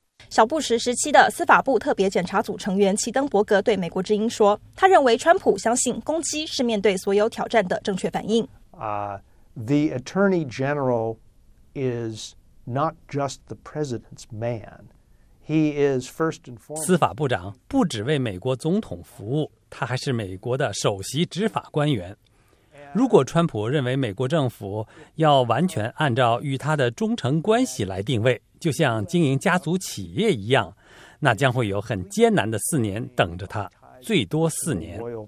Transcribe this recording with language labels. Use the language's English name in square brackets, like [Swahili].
[Chinese] 小布什时期的司法部特别检察组成员齐登伯格对美国之音说，他认为川普相信攻击是面对所有挑战的正确反应。 [English] The Attorney General is not just the president's man. He is first and foremost. [Chinese] 司法部长不只为美国总统服务，他还是美国的首席执法官员。如果川普认为美国政府要完全按照与他的忠诚关系来定位，就像经营家族企业一样，那将会有很艰难的4年等着他，最多4年。